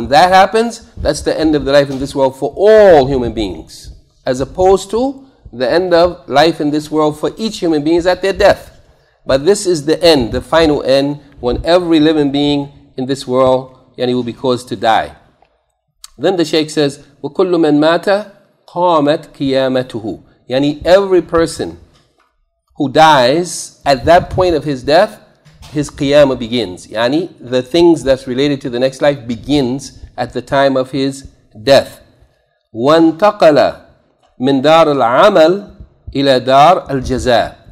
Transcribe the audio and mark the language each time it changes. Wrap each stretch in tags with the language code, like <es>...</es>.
<en>When that happens, that's the end of the life in this world for all human beings, as opposed to the end of life in this world for each human being is at their death. But this is the end, the final end, when every living being in this world, yani, will be caused to die. Then the Shaykh says,</en> <ar>وَكُلُّ مَنْ مَاتَ قَامَتْ قِيَامَتُهُ.</ar> <en>Yani, every person who dies, at that point of his death, his qiyamah begins. Yani, the things that's related to the next life begins at the time of his death.</en> <ar>وَانْتَقَلَ مِنْ دَارِ الْعَمَلِ إِلَى دَارِ الْجَزَاءِ.</ar>